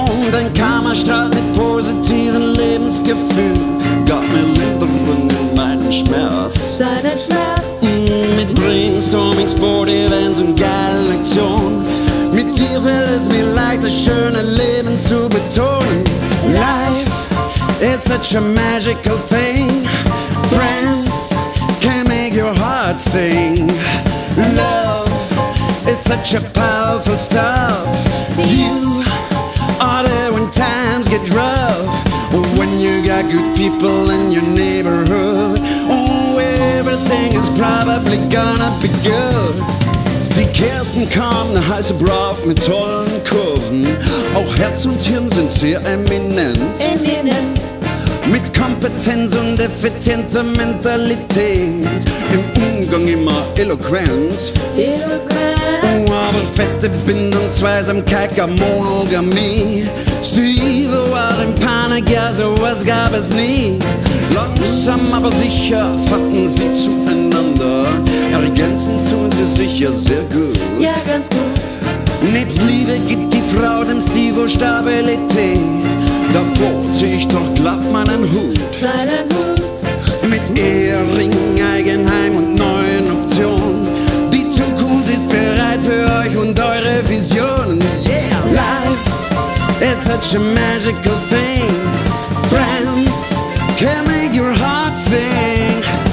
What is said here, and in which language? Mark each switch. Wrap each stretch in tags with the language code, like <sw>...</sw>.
<de>Und ein Karma strahlt mit positivem Lebensgefühl. Gab mir Linderung in meinem Schmerz. Seinen Schmerz. Mit Brainstormings, Board-Events und geilen Aktionen. Mit dir fällt es mir leicht, das schöne Leben zu betonen.</de> <en>Life is such a magical thing. Friends can make your heart sing. Love is such a powerful stuff. You are there when times get rough. When you got good people in your neighborhood, oh, everything is probably gonna be good.</en> <de>Die Kirsten kommen, heiße Brock mit tollen Kurven. Auch Herz und Hirn sind sehr eminent. Eminent. Mit Kompetenz und effizienter Mentalität. Im Umgang immer eloquent. Eloquent. Aber feste Bindung, Zweisamkeit, gar Monogamie. Steve war in Panik, ja, sowas gab es nie. Langsam, aber sicher fanden sie zueinander. Ergänzen tun sie sich ja sehr gut. Ja, ganz gut. Nebst Liebe gibt die Frau dem Stivo Stabilität. Davor zieh ich doch glatt meinen Hut. Seinen Hut. Mit Ehering, Eigenheim und neuen Optionen. Die Zukunft ist bereit für euch und eure Visionen. Yeah!</de> <en>Life is such a magical thing. Friends can make your heart sing.</en>